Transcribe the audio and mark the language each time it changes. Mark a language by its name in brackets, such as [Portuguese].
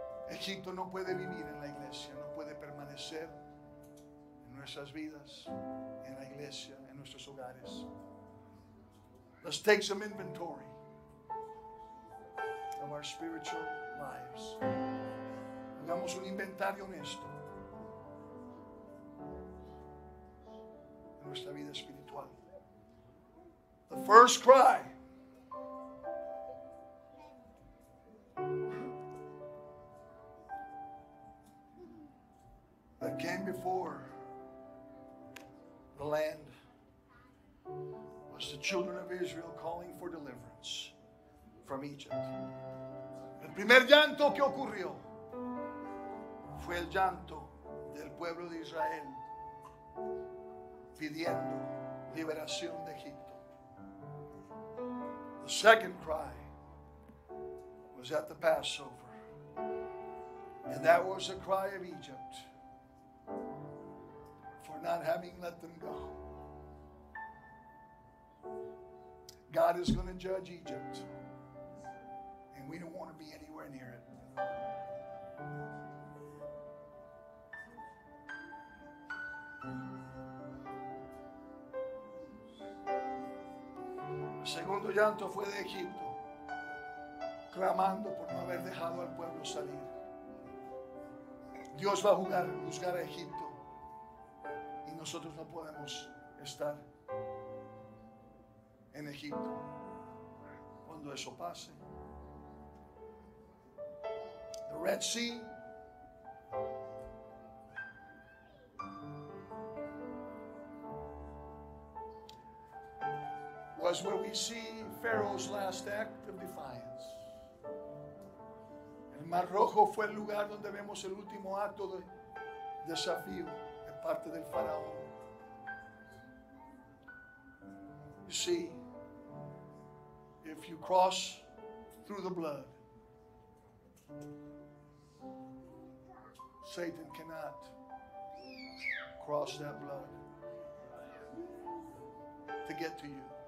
[Spanish] Egipto no puede vivir en la iglesia, no puede permanecer en nuestras vidas, en la iglesia, en nuestros hogares. [English] Let's take some inventory of our spiritual lives. [Spanish] Hagamos un inventario honesto de nuestra vida espiritual. [English] The first cry that came before the land was the children of Israel calling for deliverance from Egypt. [Spanish] El primer llanto que ocurrió fue el llanto del pueblo de Israel pidiendo liberación de Egipto. [English] The second cry was at the Passover, and that was the cry of Egypt for not having let them go. God is going to judge Egypt, and we don't want to be anywhere near it. [Spanish] El segundo llanto fue de Egipto, clamando por no haber dejado al pueblo salir. Dios va a juzgar a Egipto, y nosotros no podemos estar en Egipto cuando eso pase. [English] The Red Sea was where we see Pharaoh's last act of defiance. [Spanish] El Mar Rojo fue el lugar donde vemos el último acto de desafío de parte del faraón. [English] You see, if you cross through the blood, Satan cannot cross that blood to get to you.